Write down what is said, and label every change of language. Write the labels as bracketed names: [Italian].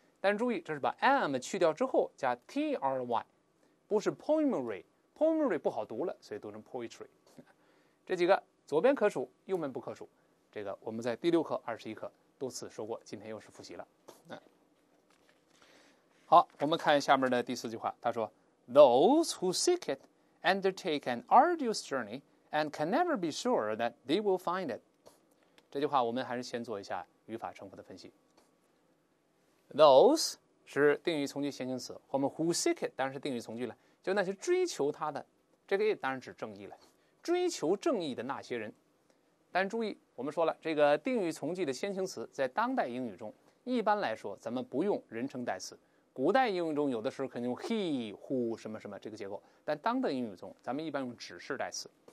[Chinese] 但注意，这是把 am 去掉之后加 try， 不是 poemry 不好读了，所以读成 poetry。这几个左边可数，右边不可数，这个我们在第六课21课多次说过，今天又是复习了。好，我们看下面的第四句话，他说 [English] Those who seek it undertake an arduous journey and can never be sure that they will find it。 [Chinese] 这句话我们还是先做一下语法成分的分析。 Those 是定语从句先行词，我们 [English] who seek it [Chinese] 当然是定语从句了，就那些追求他的，这个 it 当然指正义了，追求正义的那些人。但注意，我们说了这个定语从句的先行词在当代英语中一般来说咱们不用人称代词，古代英语中有的时候可能用 he who 什么什么这个结构，但当代英语中咱们一般用指示代词。